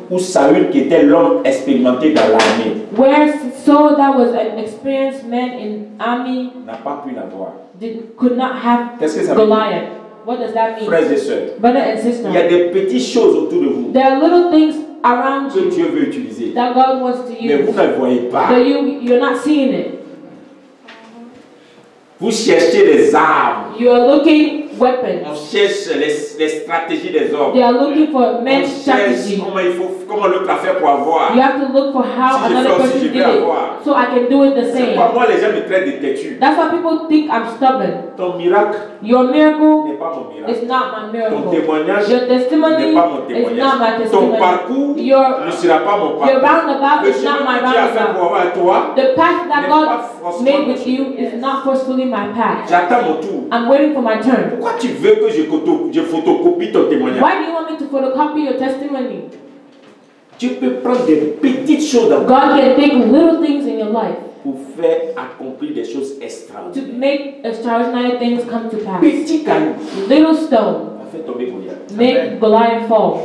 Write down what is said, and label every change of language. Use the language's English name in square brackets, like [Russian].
[French] Ou Saül qui était l'homme expérimenté dans l'armée. [English] Where Saul, that was an experienced man in army, [French] n'a pas pu l'avoir. [English] Could not have [French] Qu'est-ce que ça Goliath. Veut? [English] What does that mean? [French] Frères et sœurs, [English] brother and sister, [French] il y a des petites choses autour de vous. [English] There are little things around [French] que [English] you [French] Dieu veut utiliser. [English] That God wants to use. [French] Mais vous ne voyez pas. [English] But you're not seeing it. [French] Vous cherchez les armes. [English] You are looking weapons. [French] On cherche les stratégies des hommes. [English] They are looking for men's strategy. [French] Comment il faut, comment l'autre a fait pour avoir. [English] You have to look for how [French] si [English] another person did it. So I can do it the [French] C'est Pourquoi les gens me traitent de têtu. [English] That's why people think I'm stubborn. [French] Ton miracle. [English] Your miracle. [French] N'est pas mon miracle. [English] It's not my miracle. [French] Ton témoignage. [English] Your testimony. [French] N'est pas mon témoignage. [English] It's not my testimony. [French] Ton parcours. [English] Your, [French] ne sera pas mon parcours. [English] Your roundabout is not my roundabout. The path that God made with you is not forcefully my path. [French] J'attends mon tour. [English] I'm waiting for my turn. [French] Pourquoi tu veux que je photocopie ton témoignage? [English] Why do you want me to photocopy your testimony? [French] Tu peux prendre des petites choses dans [English] God can take little things in your life [French] pour faire accomplir des choses extraordinaires. [English] To make extraordinary things come to pass. [French] Petit caillou. [English] Little stone. [French] A fait tomber Goliath. [English] Make Goliath fall.